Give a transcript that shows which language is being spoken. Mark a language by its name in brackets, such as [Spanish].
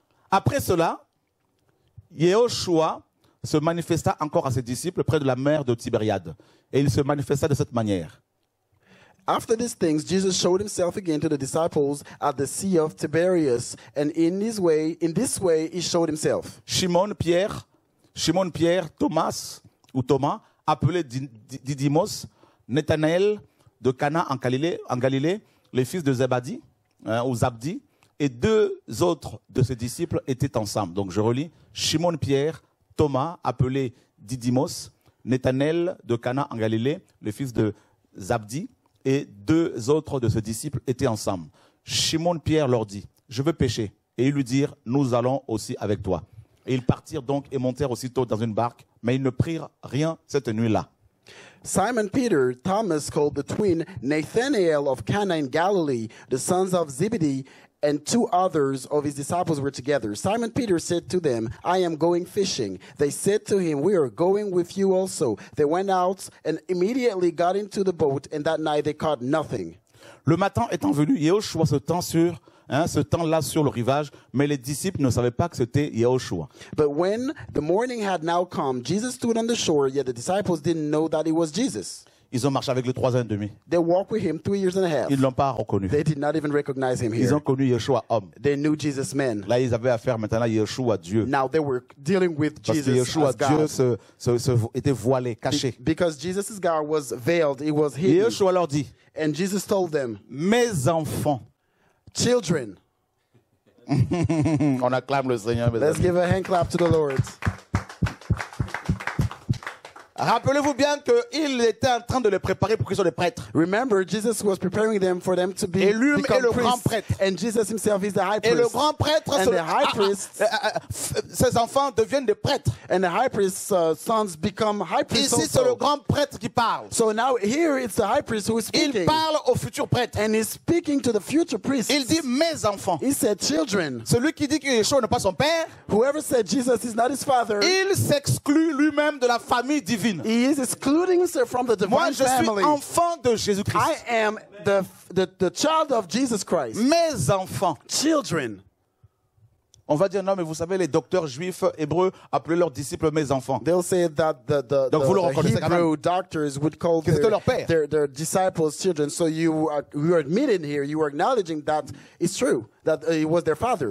[French] Après cela, Yahushua se manifesta encore à ses disciples près de la mer de Tibériade. Et il se manifesta de cette manière. [English] After these things, Jesus showed himself again to the disciples at the Sea of Tiberias, and in this way, he showed himself. [French] Simon Pierre, Thomas ou Thomas, appelé Didymos, Nathanael de Cana en Galilée, les fils de Zébadie ou Zabdi, et deux autres de ses disciples étaient ensemble. Donc je relis: Simon Pierre, Thomas, appelé Didymos, Nathanael de Cana en Galilée, les fils de Zabdi. Et deux autres de ses disciples étaient ensemble. Simon Pierre leur dit, je veux pêcher. Et ils lui dirent, nous allons aussi avec toi. Et ils partirent donc et montèrent aussitôt dans une barque, mais ils ne prirent rien cette nuit-là. [English] Simon Peter, Thomas called the twin, Nathanael of Cana in Galilee, the sons of Zebedee, and two others of his disciples were together. Simon Peter said to them, I am going fishing. They said to him, we are going with you also. They went out and immediately got into the boat, and that night they caught nothing. [French] Le matin étant venu, Yahushua se tint sur ce temps-là sur le rivage, mais les disciples ne savaient pas que c'était Yahushua. [English] But when the morning had now come, Jesus stood on the shore, yet the disciples didn't know that it was Jesus. [French] Ils ont marché avec lui 3 ans et demi. [English] They walked with him 3 years and a half. [French] Ils ne l'ont pas reconnu. [English] They did not even recognize him here. [French] Ils ont connu Yeshua homme. [English] They knew Jesus man. [French] Là, ils avaient affaire maintenant à Yeshua Dieu. [English] Now they were dealing with Jesus [French] Parce que Yeshua [English] as [French] Dieu [English] God. [French] Se était voilé, caché. [English] Because Jesus as God was veiled, he was hidden. [French] Yeshua leur dit. [English] And Jesus told them. [French] Mes enfants. [English] Children. [French] On acclame le Seigneur. [English] Let's give a hand clap to the Lord. [French] Rappelez-vous bien qu'il était en train de les préparer pour qu'ils soient des prêtres. [English] Remember, Jesus was preparing them for them to be. [French] Et lui est le grand prêtre. [English] And Jesus himself is the high priest. [French] Et le grand prêtre, [English] and the high priest, [French] ses enfants deviennent des prêtres. [English] And the high priest's sons become high priests. [French] Ici, c'est le grand prêtre qui parle. [English] So now here it's the high priest who is speaking. [French] Il parle au futur prêtre. [English] And he's speaking to the future priest. [French] Il dit mes enfants. [English] He said children. [French] Celui qui dit que Yeshua n'est pas son père. [English] Whoever said Jesus is not his father. [French] Il s'exclut lui-même de la famille divine. [English] He is excluding himself from the divine family. [French] Moi, je [English] family. [French] Suis enfant de Jésus-Christ. [English] I am the child of Jesus Christ. [French] Mes enfants. [English] Children. [French] On va dire, non, mais vous savez, les docteurs juifs hébreux appelaient leurs disciples mes enfants. [English] They'll say that the Hebrew doctors would call their disciples children. So you are admitting here, you are acknowledging that it's true, that it was their father.